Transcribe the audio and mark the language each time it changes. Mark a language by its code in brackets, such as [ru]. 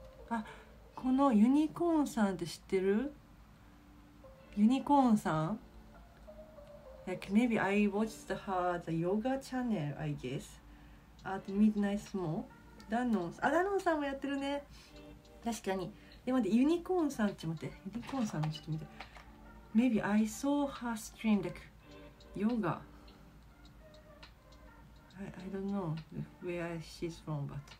[ja] あ、このユニコーンさんって知ってる？ユニコーンさん？ [en] Like maybe I watched her the yoga channel, I guess. At midnight small. [ja] ダノンさん、あ、ダノンさんもやってるね。確かに。でもで、ユニコーンさんって待って、ユニコーンさんちょっと見て。 [en] Maybe I saw her stream like yoga. I don't know where she's from, but.